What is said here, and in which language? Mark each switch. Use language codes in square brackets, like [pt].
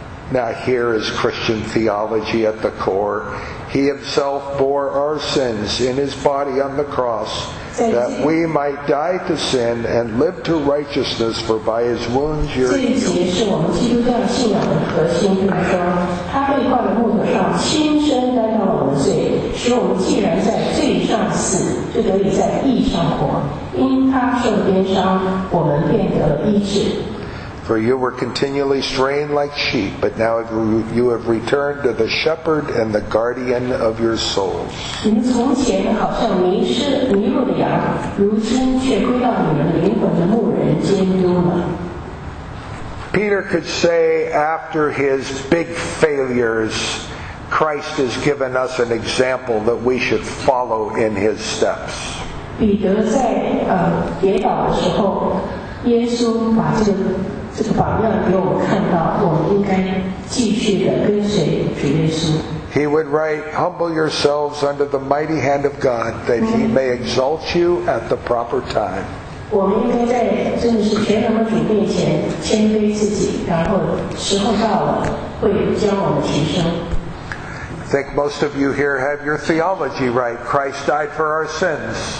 [en] Now here is Christian theology at the core. He himself bore our sins in his body on the cross, that we might die to sin and live to righteousness, for by his wounds you're healed. [zh] 这一节是我们基督教信仰的核心，就是说他被挂在木头上，亲身担当我们的罪，使我们既然在罪上死，就得以在义上活。因他受鞭伤，我们便得了医治。 [en] For you were continually straying like sheep, but now you have returned to the shepherd and the guardian of your souls. Peter could say after his big failures, Christ has given us an example that we should follow in his steps. [zh] 彼得在跌倒的时候，耶稣把这个榜样给我们看到，我们应该继续的跟随主耶稣。 [en] He would write, humble yourselves under the mighty hand of God that he may exalt you at the proper time. [zh] 我们应该在真的是全能的主面前谦卑自己，然后时候到了会将我们提升。 [en] I think most of you here have your theology right. Christ died for our sins.